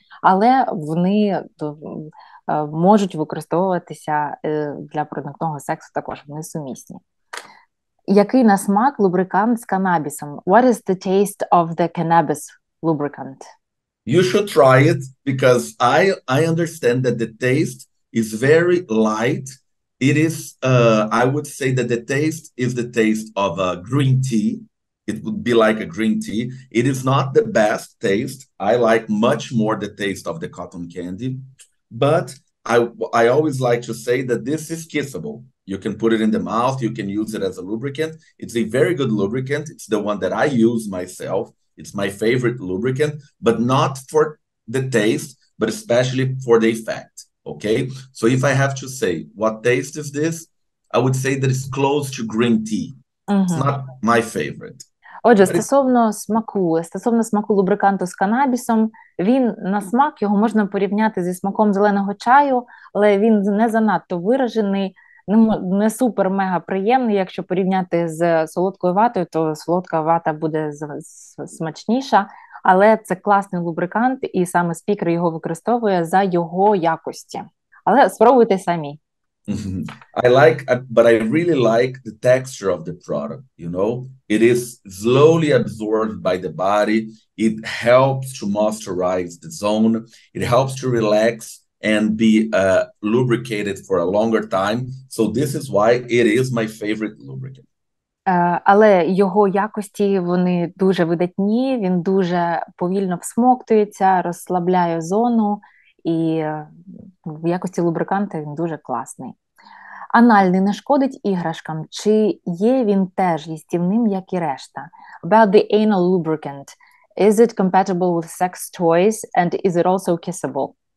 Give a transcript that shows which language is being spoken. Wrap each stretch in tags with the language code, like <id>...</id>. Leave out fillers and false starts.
<uk>Але вони можуть використовуватися для проникного сексу також, вони сумісні. Який на смак лубрикант з канабісом?</uk> <en>What is the taste of the cannabis lubricant? You should try it because I understand that the taste is very light. It is, I would say that the taste is the taste of a green tea. It would be like a green tea. It is not the best taste. I like much more the taste of the cotton candy. But I always like to say that this is kissable. You can put it in the mouth. You can use it as a lubricant. It's a very good lubricant. It's the one that I use myself. It's my favorite lubricant, but not for the taste, but especially for the effect. Okay, so if I have to say what taste is this, I would say that it's close to green tea. Mm-hmm. It's not my favorite.</en> <uk>Отже, стосовно смаку лубриканту з канабісом, він на смак, його можна порівняти зі смаком зеленого чаю, але він не занадто виражений, не супер-мега приємний. Якщо порівняти з солодкою ватою, то солодка вата буде смачніша. Але це класний лубрикант, і саме спікер його використовує за його якості. Але спробуйте самі.</uk> <en>I like, but I really like the texture of the product, you know? It is slowly absorbed by the body. It helps to moisturize the zone. It helps to relax and be lubricated for a longer time. So this is why it is my favorite lubricant.</en> <uk>Але його якості, вони дуже видатні, він дуже повільно всмоктується, розслабляє зону, і в якості лубриканта він дуже класний. Анальний не шкодить іграшкам? Чи є він теж їстівним, як і решта?</uk> <en>About the anal lubricant, is it compatible with sex toys and is it also kissable?</en>